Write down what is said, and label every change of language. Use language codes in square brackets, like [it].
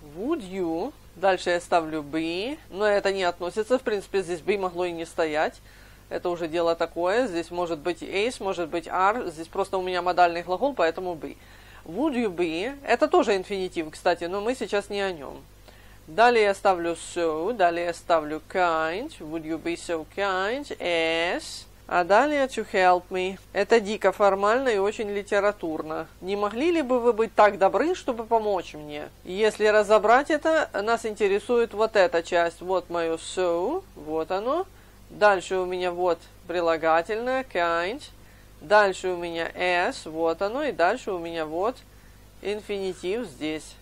[en] Would you? [ru] Дальше я ставлю be, но это не относится, в принципе, здесь be могло и не стоять. Это уже дело такое, здесь может быть as, может быть are, здесь просто у меня модальный глагол, поэтому be. [en] Would you be? [ru] Это тоже инфинитив, кстати, но мы сейчас не о нем. Далее я ставлю so, далее я ставлю kind, [en] would you be so kind, as, [ru] а далее [en] to help me. [ru] Это дико формально и очень литературно. Не могли ли бы вы быть так добры, чтобы помочь мне? Если разобрать это, нас интересует вот эта часть. Вот мое so, вот оно. Дальше у меня вот прилагательное, kind. Дальше у меня as, вот оно, и дальше у меня вот инфинитив здесь.